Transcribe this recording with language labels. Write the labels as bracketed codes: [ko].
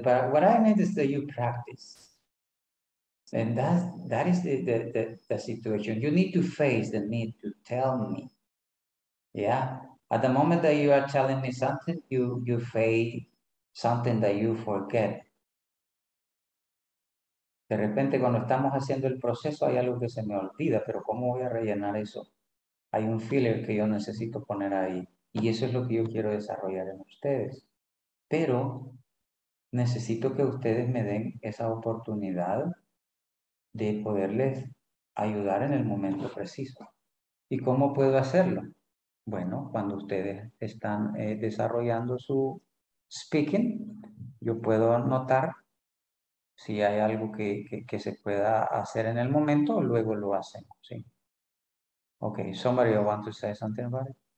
[en] But what I meant is that you practice. And that is the situation. You need to face the need to tell me. Yeah. At the moment that you are telling me something, you face something that you forget. [es] De repente, cuando estamos haciendo el proceso, hay algo que se me olvida, pero ¿cómo voy a rellenar eso? Hay un filler que yo necesito poner ahí. Y eso es lo que yo quiero desarrollar en ustedes. Pero necesito que ustedes me den esa oportunidad de poderles ayudar en el momento preciso. ¿Y cómo puedo hacerlo? Bueno, cuando ustedes están desarrollando su speaking, yo puedo notar si hay algo que se pueda hacer en el momento, luego lo hacen, ¿sí? [en] Okay, somebody want to say something about it?